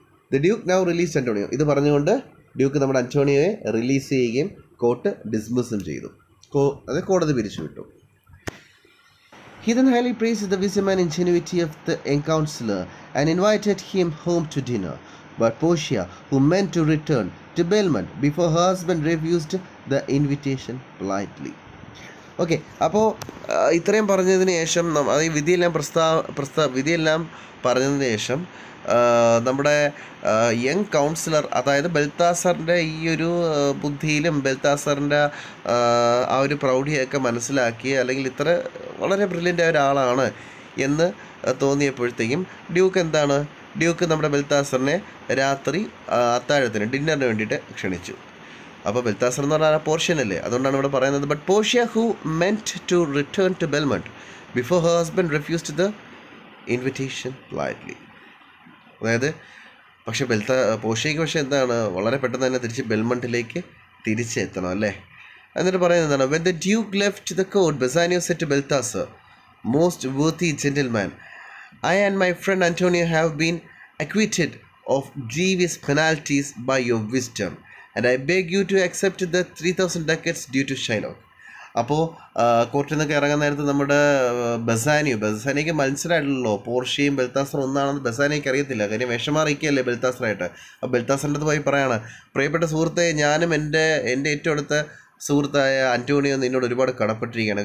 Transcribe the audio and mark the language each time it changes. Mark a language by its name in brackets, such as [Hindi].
[English] The duke now release Antonio. [Malayalam] ഇത് പറഞ്ഞുകൊണ്ട് Duke നമ്മുടെ അന്റോണിയോയെ റിലീസ് ചെയ്യുകയും കോർട്ട് ഡിസ്മിസും ചെയ്തു. അത് കോടതി പിരിച്ചു വിട്ടു. [English] He then highly praise the wisdom and ingenuity of the young counsellor and invited him home to dinner. But Portia, who meant to return to Belmont before her husband refused the invitation politely. [Malayalam] Okay, അപ്പോൾ ഇത്രയും പറഞ്ഞതിന് ശേഷം ഈ വിധിയെല്ലാം വിധിയെല്ലാം പറഞ്ഞതിന് ശേഷം നമ്മുടെ young councillor അതായത് ബെൽത്താസറിൻ്റെ ഈ ഒരു ബുദ്ധിയിലും ബെൽത്താസറിൻ്റെ ആ ഒരു പ്രൗഢിയൊക്കെ മനസ്സിലാക്കി, അല്ലെങ്കിൽ ഇത്ര വളരെ ബ്രില്യൻ്റ് ആയ ഒരാളാണ് എന്ന് തോന്നിയപ്പോഴത്തേക്കും ഡ്യൂക്ക് എന്താണ്, ഡ്യൂക്ക് നമ്മുടെ ബെൽത്താസറിനെ രാത്രി അത്താഴത്തിന് ഡിന്നറിന് വേണ്ടിയിട്ട് ക്ഷണിച്ചു. അപ്പോൾ ബെൽത്താസർ എന്ന് പറഞ്ഞാൽ ആ പോർഷ്യനല്ലേ, അതുകൊണ്ടാണ് ഇവിടെ പറയുന്നത്. [English] But Portia who meant to return to Belmont before her husband refuse to the invitation politely. [Malayalam] അതായത് പക്ഷേ പോർഷ്യയ്ക്ക് പക്ഷേ എന്താണ്, വളരെ പെട്ടെന്ന് തന്നെ തിരിച്ച് ബെൽമണ്ടിലേക്ക് തിരിച്ചെത്തണം അല്ലേ. എന്നിട്ട് പറയുന്നത് എന്താണ്, [English] When the duke left the court Bassanio said to Balthazar, most worthy gentleman, I and my friend Antonio have been acquitted of grievous penalties by your wisdom, and I beg you to accept the 3,000 ducats due to Shylock. [Malayalam] അപ്പോൾ കോർട്ടിൽ നിന്നൊക്കെ ഇറങ്ങാൻ നേരത്ത് നമ്മുടെ ബസാനിയും ബസാനിക്ക് മനസ്സിലായിട്ടല്ലോ പോർഷിയും ബൽത്താസറും ഒന്നാണെന്ന് ബസാനിക്ക് അറിയത്തില്ല. കാര്യം വേഷം മാറിയിരിക്കുകയല്ലേ ബൽത്താസറായിട്ട്. അപ്പോൾ ബൽത്താസറിൻ്റെ അടുത്ത് പോയി പറയാണ്, പ്രിയപ്പെട്ട സുഹൃത്തെ, ഞാനും എൻ്റെ ഏറ്റവും അടുത്ത സുഹൃത്തായ അന്റോണിയോ നിന്നോട് ഒരുപാട് കടപ്പെട്ടിരിക്കുകയാണ്.